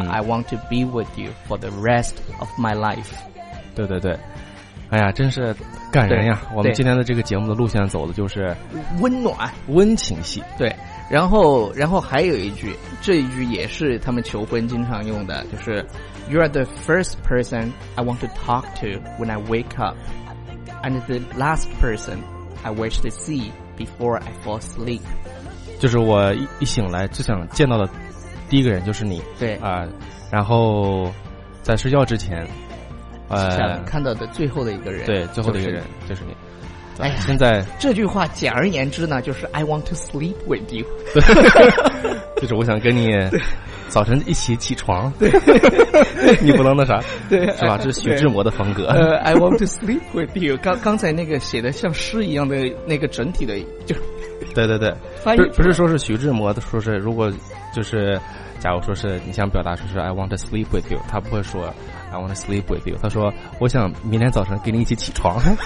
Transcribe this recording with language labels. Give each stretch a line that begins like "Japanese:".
English: 嗯， I want to be with you for the rest of my life。
Chinese: 对对对，哎呀，真是感人呀。我们今天的这个节目的路线走的就是温暖温情戏。对，然后还有一句，这一句也是他们求婚经常用的，就是
English: You are the first person I want to talk to when I wake up and the last person I wish to see before I fall asleep。
Chinese: 就是我一醒来最想见到的第一个人就是你。对啊，然后在睡觉之前想看到的最后的一个人。对，最后的一个人就是你。哎，现在这句话简而言之呢，就是
English: I want to sleep with you。
Chinese: 对，就是我想跟你早晨一起起床。对，你不能那啥。对，是吧，这是徐志摩的风格。
English: I want to sleep with you，
Chinese: 刚才那个写的像诗一样的那个整体的，就对对对，翻译不是说是徐志摩的，说是如果就是假如说是你想表达说是
English: I want to sleep with you，
Chinese: 他不会说 I want to sleep with you， 他说我想明天早晨跟你一起起床。